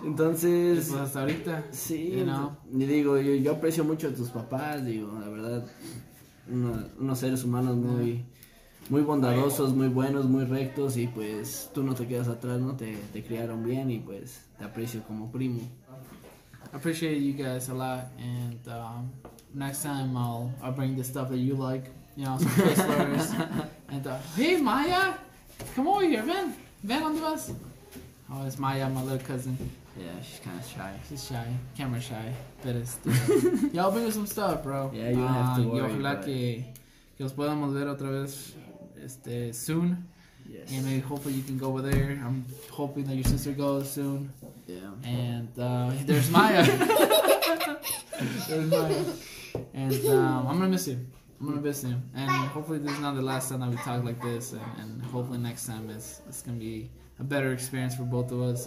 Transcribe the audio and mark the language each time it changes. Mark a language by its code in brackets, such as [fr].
[es] Entonces, pues hasta ahorita. Sí, y digo, yo aprecio mucho a tus papás, digo, la verdad, unos seres humanos muy muy bondadosos, muy buenos, muy rectos, y pues tú no te quedas atrás, ¿no? Te criaron bien y pues te aprecio como primo. [en] I appreciate you guys a lot, and next time I'll bring the stuff that you like, you know, some Twizzlers, and hey Maya, come over here, Ben on the bus. Oh, it's Maya, my little cousin. Yeah, she's kind of shy. She's shy, camera shy, but it's y'all bring us some stuff, bro. Yeah, you don't have to worry. [es] Y ojalá que os podamos ver otra vez, [en] soon. Yes. And maybe hopefully you can go over there. I'm hoping that your sister goes soon. Yeah. And there's Maya. There's Maya. And I'm gonna miss you. I'm gonna miss you. And hopefully this is not the last time that we talk like this. And hopefully next time it's gonna be a better experience for both of us.